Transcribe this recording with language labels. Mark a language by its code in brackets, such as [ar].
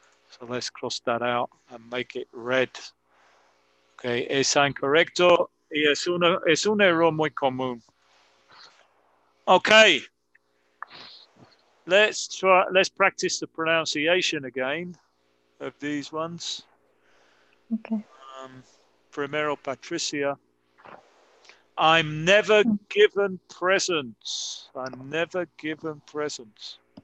[en] So let's cross that out and make it red. [es] Okay, es incorrecto y es un error muy común. [en] Okay. Let's practice the pronunciation again of these ones. Okay. Primero, Patricia. I'm never given presents. I'm never given presents.